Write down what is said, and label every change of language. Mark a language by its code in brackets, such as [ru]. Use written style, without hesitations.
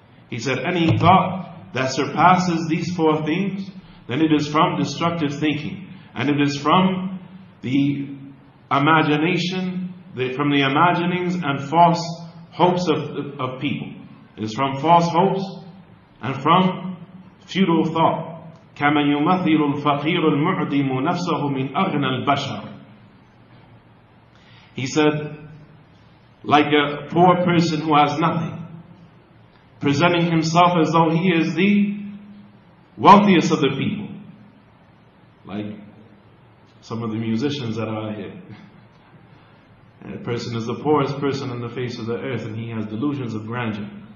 [en] He said, any thought that surpasses these four things, then it is from destructive thinking. And it is from the imagination, from the imaginings and false hopes of people. It is from false hopes and from futile thought. [ar] كما يمثل الفقير المعدم نفسه من أغنى البشر. [en] He said, like a poor person who has nothing, presenting himself as though he is the wealthiest of the people. Like some of the musicians that are here. A person is the poorest person on the face of the earth, and he has delusions of grandeur.